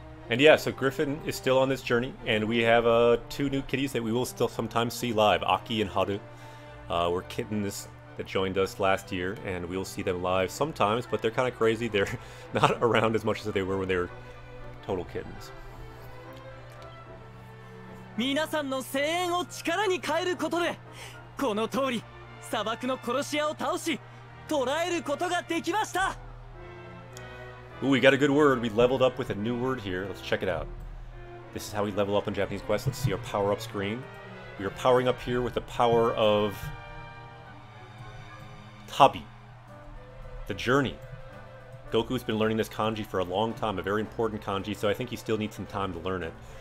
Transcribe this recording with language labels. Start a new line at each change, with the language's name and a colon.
English: And yeah, so Griffin is still on this journey, and we have two new kitties that we will still sometimes see live. Aki and Haru were kittens that joined us last year, and we'll see them live sometimes, but they're kind of crazy. They're not around as much as they were when they were total kittens.
Japanese: 皆さんの声援を力に変えることで、この通り砂漠の殺し屋を倒し、捕らえることができました!
English: Ooh, we got a good word. We leveled up with a new word here. Let's check it out. This is how we level up on Japanese Quest. Let's see our power-up screen. We are powering up here with the power of... Tabi. The journey. Goku's been learning this kanji for a long time, a very important kanji, so I think he still needs some time to learn it.